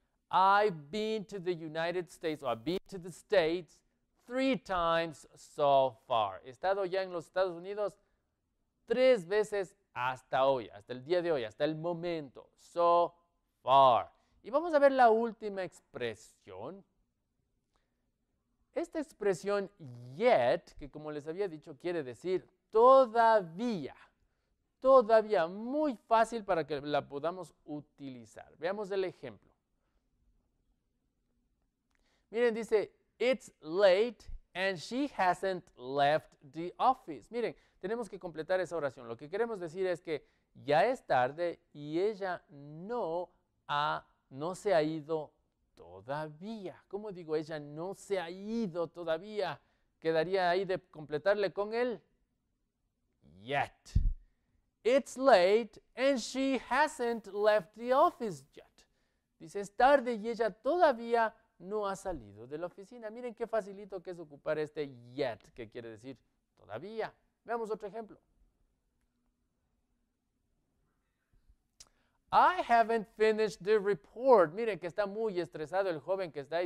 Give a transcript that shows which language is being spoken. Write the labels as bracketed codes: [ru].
[en] I've been to the United States or I've been to the States 3 times so far. [es] He estado ya en los Estados Unidos 3 veces hasta hoy, hasta el día de hoy, hasta el momento. [en] So far. [es] Y vamos a ver la última expresión. Esta expresión yet, que como les había dicho, quiere decir todavía. Todavía, muy fácil para que la podamos utilizar. Veamos el ejemplo. Miren, dice, [en] it's late and she hasn't left the office. [es] Miren, tenemos que completar esa oración. Lo que queremos decir es que ya es tarde y ella no se ha ido todavía. ¿Cómo digo? Ella no se ha ido todavía. Quedaría ahí de completarle con el yet. [en] It's late and she hasn't left the office yet. [es] Dice, es tarde y ella todavía no ha salido de la oficina. Miren qué facilito que es ocupar este yet, que quiere decir todavía. Veamos otro ejemplo. [en] I haven't finished the report. [es] Miren que está muy estresado el joven que está ahí.